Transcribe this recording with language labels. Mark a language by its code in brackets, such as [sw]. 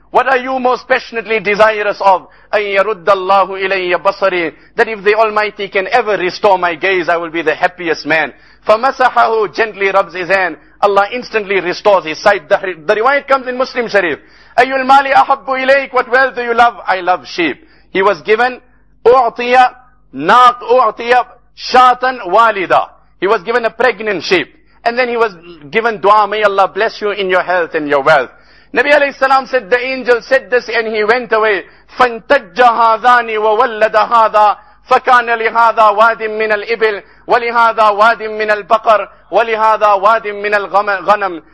[en] What are you most passionately desirous of? [ar] أَن يَرُدَّ اللَّهُ إِلَيَّ بَصَرِي. [en] That if the Almighty can ever restore my gaze, I will be the happiest man. [ar] فَمَسَحَهُ. [en] Gently rubs his hand. Allah instantly restores his sight. The riwayat comes in Muslim Sharif. [ar] أَيُّ الْمَالِ أَحَبُّ إِلَيْكَ. [en] What wealth do you love? I love sheep. He was given [ar] أُعْطِيَ نَاق أُعْطِيَ شَاتًا وَالِدًا. [en] He was given a pregnant sheep. And then he was given dua. May Allah bless you in your health and your wealth. Nabi alayhi salam said, the angel said this and he went away. [ar] فَانْتَجَّ هَذَانِ وَوَلَّدَ هَذَا فَكَانَ لِهَذَا وَادٍ مِّنَ الْإِبِلِ وَلِهَذَا وَادٍ مِّنَ الْبَقَرِ وَلِهَذَا وَادٍ مِّنَ الْغَنَمِ.